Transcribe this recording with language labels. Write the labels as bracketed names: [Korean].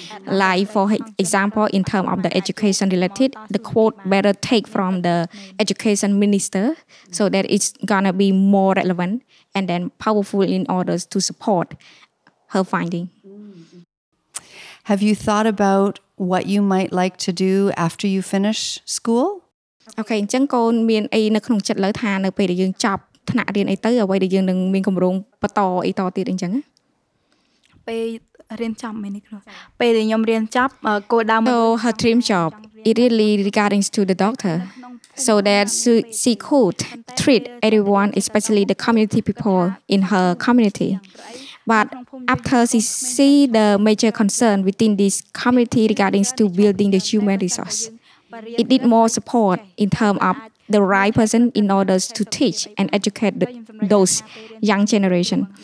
[English] Like, for example, in terms of the education related, the quote better take from the education minister so that it's going to be more relevant and then powerful in order to support her finding. Have you thought about what you might like to do after you finish school? [Khmer] Okay, ចឹងកូនមានអីនៅក្នុងចិត្តលើថានៅពេលដែលយើងចប់ថ្នាក់រៀនអីទៅអ្វីដែលយើងនឹងមានគម្រោងបន្តអីតទៀតអញ្ចឹង ពេលរៀនចប់មែននេះគ្រូពេលដែលខ្ញុំរៀនចប់គោលដៅ [English] មក her dream job it really regarding to the doctor so that she could treat everyone especially the community people in her community. But after she see the major concern within this community regarding to building the human resource, it need more support in terms of the right person in order to teach and educate those young generation.